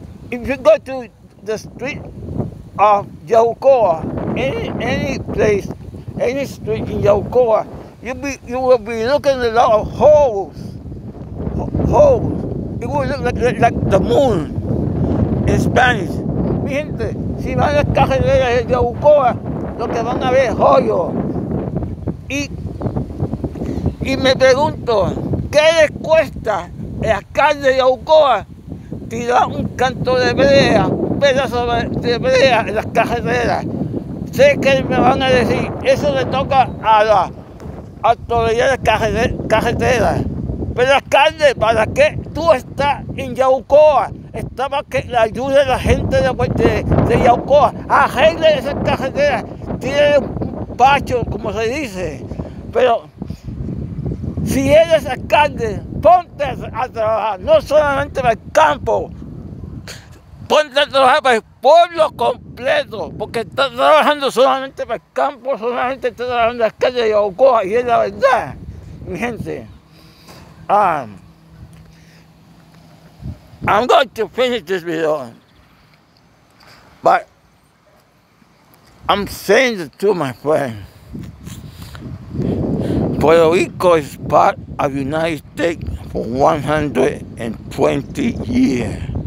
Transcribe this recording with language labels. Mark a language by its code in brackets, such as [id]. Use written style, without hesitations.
[en] If you go to the street of Yabucoa, any place, any street in Yabucoa, you will be looking at a lot of holes. Holes. It will look like the moon in Spanish. [es] Mi gente, si van a las carreteras de Yabucoa, lo que van a ver es hoyo. Y me pregunto, ¿qué les cuesta el alcalde de Yabucoa tirar un canto de brea, un pedazo de brea en las carreteras? Sé que me van a decir, eso le toca a la autoridad de carreteras. Pero alcalde, ¿para qué tú estás en Yabucoa? Está para que le ayude a la gente de Yabucoa. Arregle esas carreteras, tiene un pacho, como se dice. Pero si eres alcalde, ponte a trabajar, no solamente para el campo. Ponte a trabajar para el pueblo completo, porque estás trabajando solamente para el campo, solamente estás trabajando en las calles de Yabucoa, y es la verdad, mi gente. [en] I'm going to finish this video, but I'm saying this to my friend. Puerto Rico is part of the United States for 120 years.